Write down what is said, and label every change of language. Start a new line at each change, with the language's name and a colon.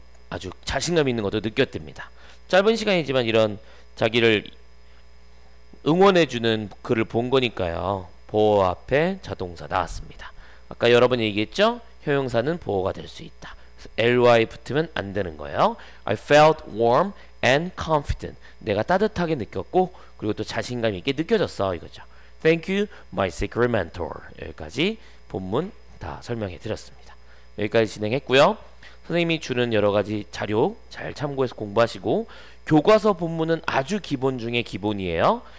Korean: 아주 자신감 있는 것도 느꼈답니다. 짧은 시간이지만 이런 자기를 응원해 주는 글을 본 거니까요. 보어 앞에 자동사 나왔습니다. 아까 여러분 얘기했죠? 형용사는 보어가 될 수 있다. ly 붙으면 안 되는 거예요.
English: I felt warm and confident.
Korean: 내가 따뜻하게 느꼈고 그리고 또 자신감 있게 느껴졌어 이거죠.
English: Thank you, my secret mentor.
Korean: 여기까지 본문 다 설명해 드렸습니다. 여기까지 진행했고요. 선생님이 주는 여러 가지 자료 잘 참고해서 공부하시고, 교과서 본문은 아주 기본 중에 기본이에요.